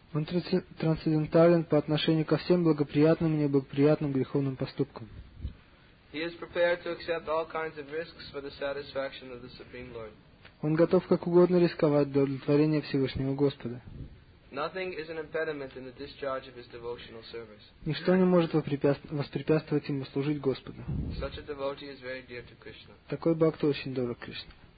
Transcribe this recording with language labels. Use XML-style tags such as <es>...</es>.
<ru>Он трансцендентален по отношению ко всем благоприятным и неблагоприятным греховным поступкам.</ru> <en>He is prepared to accept all kinds of risks for the satisfaction of the Supreme Lord.</en> <ru>Он готов как угодно рисковать для удовлетворения Всевышнего Господа.</ru> <en>Nothing is an impediment in the discharge of his devotional service.</en> <ru>Ничто не может воспрепятствовать ему служить Господу.</ru> <en>Such a devotee is very dear to Krishna.</en> <ru>Такой бхакта очень дорог Кришне.</ru>